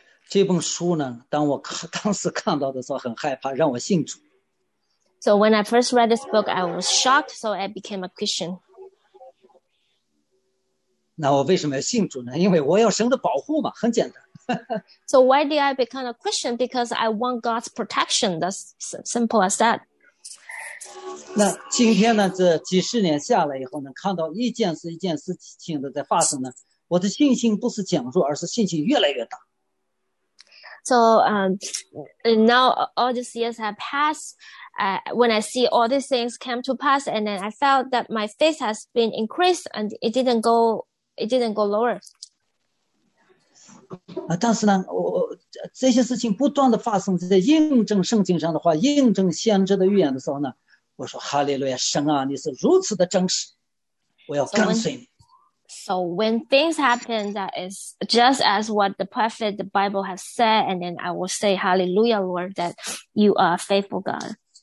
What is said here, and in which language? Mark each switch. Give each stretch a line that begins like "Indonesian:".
Chinese: 这本书呢, 当时看到的时候很害怕, 让我信主。
English: So when I first read this book, I was shocked, so I became a Christian.
Chinese: 那我为什么要信主呢? 因为我要神的保护嘛, 很简单。
English: So why did I become a Christian? Because I want God's protection. That's simple as that.
Chinese: 那今天呢, 这几十年下来以后呢, 看到一件事一件事情的在发生呢, 我的信心不是减弱, 而是信心越来越大。
English: So now all these years have passed, when I see all these things come to pass, and then I felt that my faith has been increased and it didn't go lower.
Chinese: 但是呢, 我, 这些事情不断地发生, 在印证圣经上的话, 印证先知的预言的时候呢, 我说, 哈利路亚, 神啊, 你是如此的真实, 我要跟随你。
English: So when things happen, that is just as what the prophet, the Bible has said, and then I will say, Hallelujah, Lord, that you are a faithful God.